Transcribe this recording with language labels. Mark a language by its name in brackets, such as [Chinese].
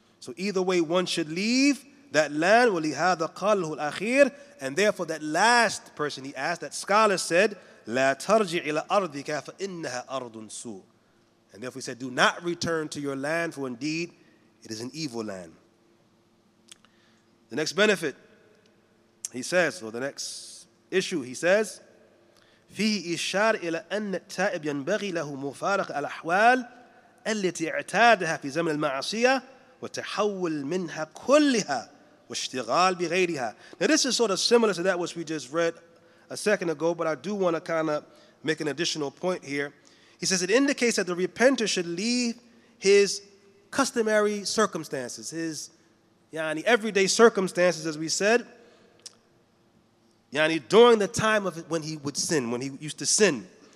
[English] So either way, one should leave that land, [Arabic] وَلِهَذَا قَالَهُ الْأَخِيرُ. [English] And therefore that last person he asked, that scholar said, [Arabic] لَا تَرْجِعْ إِلَىٰ أَرْضِكَ فَإِنَّهَا أَرْضٌ سُوءٌ. [English] And therefore he said, do not return to your land, for indeed it is an evil land. The next benefit, he says, [Arabic] or the next issue, he says, فِيهِ إِشَارِ إِلَىٰ أَنَّ التَّائِبْ يَنْبَغِي لَهُ مُفَارَقَ الْأَحْوَالِ الَّتِي اَعْتَادَهَا فِي زَمْنِ الْمَعَصِيَةِ وَتَحَوُّلْ مِنْهَا كُلِّهَا وَاشْتِغَالْ بِغَيْرِهَا. [English] Now this is sort of similar to that which we just read a second ago, but I do want to kind of make an additional point here. He says it indicates that the repenter should leave his customary circumstances, his yani everyday circumstances, as we said, yani during the time of when he would sin, when he used to sin.